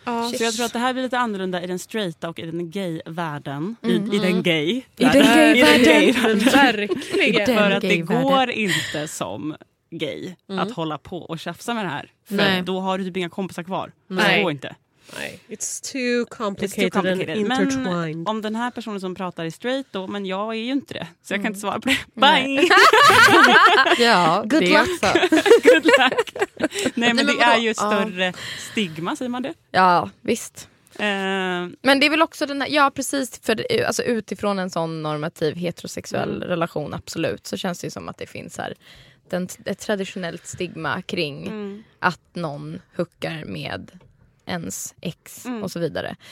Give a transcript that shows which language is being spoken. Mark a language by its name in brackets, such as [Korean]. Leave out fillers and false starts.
[Swedish] så, så jag tror att det här blir lite annorlunda i den straighta och i den gay-världen. I den gay-världen. För att det går inte som gay att hålla på och tjafsa med det här. För då har du typ inga kompisar kvar. Det går inte. Nej. [English] It's too complicated and intertwined. [Swedish] Men om den här personen som pratar är straight då, men jag är ju inte det. Så jag kan inte svara på det. [English] Bye! [Swedish] Ja, [English] good luck. Good luck. [Swedish] Nej, men det är ju ett större stigma, säger man det. Ja, visst. Men det är väl också den här, ja precis, för alltså utifrån en sån normativ heterosexuell relation, absolut, så känns det ju som att det finns här ett traditionellt stigma kring att någon hookar med ens ex och så vidare.